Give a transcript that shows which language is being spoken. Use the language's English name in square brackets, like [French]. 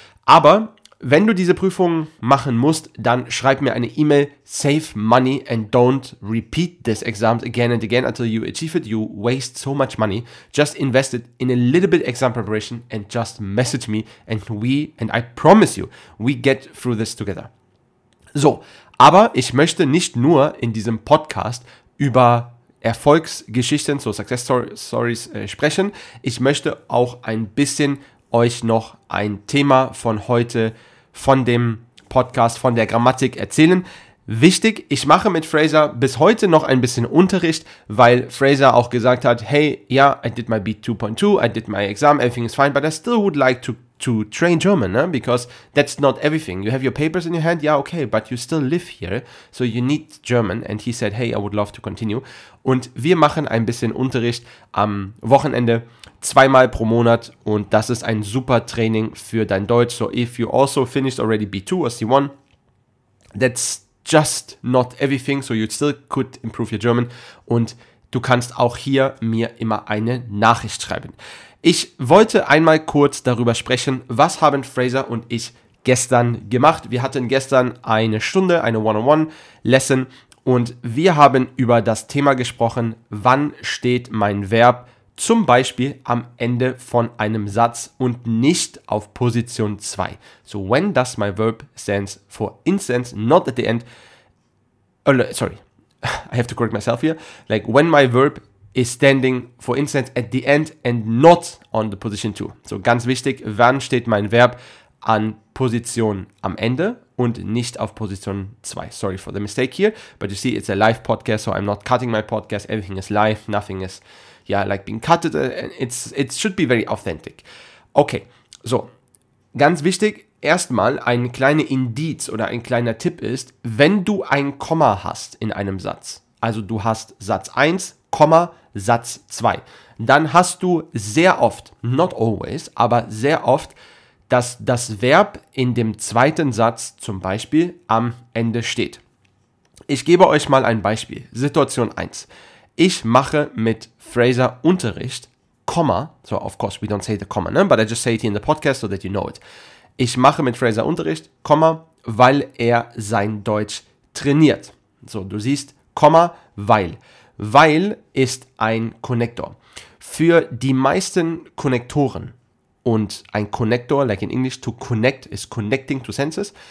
[German] Aber wenn du diese Prüfung machen musst, dann schreib mir eine E-Mail, [English] save money and don't repeat this exam again and again until you achieve it. You waste so much money. Just invest it in a little bit exam preparation and just message me and I promise you, we get through this together. [German] So, aber ich möchte nicht nur in diesem Podcast über Erfolgsgeschichten, so Success-Stories sprechen. Ich möchte auch ein bisschen euch noch ein Thema von heute, von dem Podcast, von der Grammatik erzählen. Wichtig, ich mache mit Fraser bis heute noch ein bisschen Unterricht, weil Fraser auch gesagt hat, [English] hey, yeah, I did my B2.2, I did my exam, everything is fine, but I still would like to train German, ne? Because that's not everything. You have your papers in your hand, yeah, okay, but you still live here, so you need German. And he said, hey, I would love to continue. [German] Und wir machen ein bisschen Unterricht am Wochenende, zweimal pro Monat. Und das ist ein super Training für dein Deutsch. [English] So if you also finished already B2 or C1, that's just not everything. So you still could improve your German. [German] Und du kannst auch hier mir immer eine Nachricht schreiben. Ich wollte einmal kurz darüber sprechen, was haben Fraser und ich gestern gemacht. Wir hatten gestern eine Stunde, eine One-on-One-Lesson und wir haben über das Thema gesprochen, wann steht mein Verb zum Beispiel am Ende von einem Satz und nicht auf Position 2. [English] So when does my verb stands for instance, not at the end, sorry, I have to correct myself here, like when my verb is standing, for instance, at the end and not on the position 2. [German] So ganz wichtig, wann steht mein Verb an Position am Ende und nicht auf Position 2. [English] Sorry for the mistake here, but you see, it's a live podcast, so I'm not cutting my podcast. Everything is live, nothing is, yeah, like being cutted. It should be very authentic. Okay, [German] so ganz wichtig, erstmal ein kleiner Indiz oder ein kleiner Tipp ist, wenn du ein Komma hast in einem Satz, also du hast Satz 1, Komma, Satz 2, dann hast du sehr oft, [English] not always, [German] aber sehr oft, dass das Verb in dem zweiten Satz zum Beispiel am Ende steht. Ich gebe euch mal ein Beispiel. Situation 1. Ich mache mit Fraser Unterricht, Komma, [English] so of course we don't say the comma, [German] ne? [English] But I just say it in the podcast so that you know it. [German] Ich mache mit Fraser Unterricht, Komma, weil er sein Deutsch trainiert. So, du siehst, Komma, weil. Weil ist ein Konnektor. Für die meisten Konnektoren und ein Konnektor, [English] like in English, to connect is connecting to senses.